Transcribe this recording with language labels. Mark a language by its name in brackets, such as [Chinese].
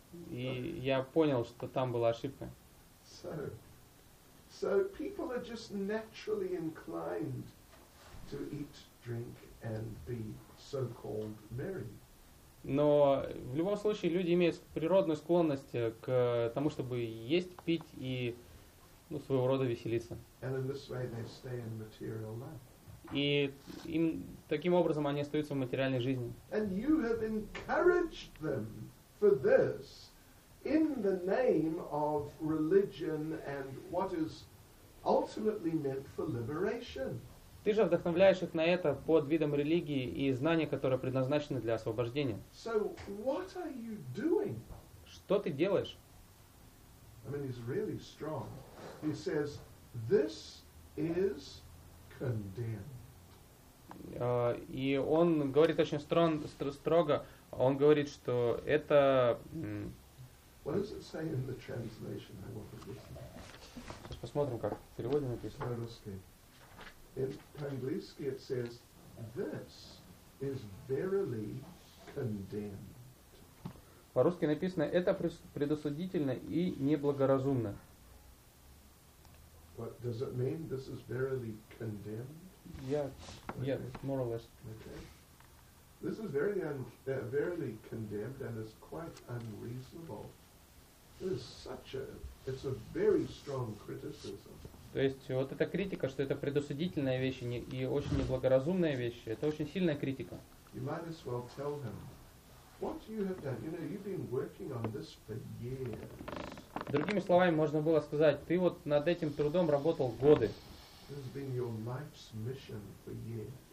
[Russian] И я понял, что там была ошибка. [English] So people are just naturally inclined to eat, drink, and be so-called merry. [Russian] Но в любом случае люди имеют природную склонность к тому, чтобы есть, пить и, ну, своего рода веселиться. [English] And in this way they stay in material life. [Russian] И им таким образом они остаются в материальной жизни. [English] And you have encouraged them for this in the name of religion and what is ultimately meant for liberation. [Russian] Ты же вдохновляешь их на это под видом религии и знания, которые предназначены для освобождения. [English] So what are you doing? [Russian] Что ты делаешь? [English] I mean, he's really strong. He says, this is condemned. [Russian] И он говорит очень строго, он говорит, что это... [English] What does it say in the translation? I want to listen. [Russian] Сейчас посмотрим, как в переводе написано. [English] In Panglisky it says, this is verily condemned. [Russian] По-русски написано, это предосудительно и неблагоразумно. [English] What does it mean, this is verily condemned? Yeah, more or less. Okay. This is very verily condemned and is quite unreasonable. It is such a, it's a very strong criticism. [Russian] То есть вот эта критика, что это предосудительная вещь и очень неблагоразумная вещь, это очень сильная критика. [English] You might as well tell him, what you have done, you know, you've been working on this for years. [Russian] Другими словами, можно было сказать, ты вот над этим трудом работал годы. [English] This has been your life's mission for years.